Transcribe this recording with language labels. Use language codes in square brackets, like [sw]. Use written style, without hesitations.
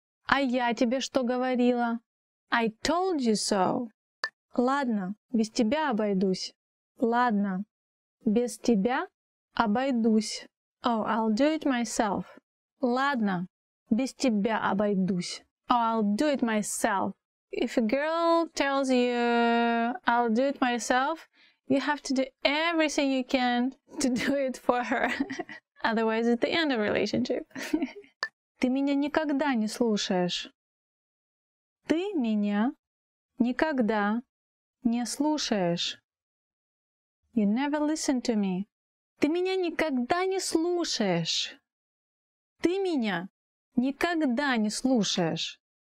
[ru] А я тебе что говорила? [en] I told you so. [ru] Ладно, без тебя обойдусь. Ладно, без тебя обойдусь. [en] Oh, I'll do it myself. [ru] Ладно, без тебя обойдусь. [en] Oh, I'll do it myself. If a girl tells you, I'll do it myself, you have to do everything you can to do it for her. Otherwise, it's the end of relationship. [ru] Ты меня никогда не слушаешь. Ты меня никогда не слушаешь. [en] You never listen to me. [ru] Ты меня никогда не слушаешь. Ты меня никогда не слушаешь.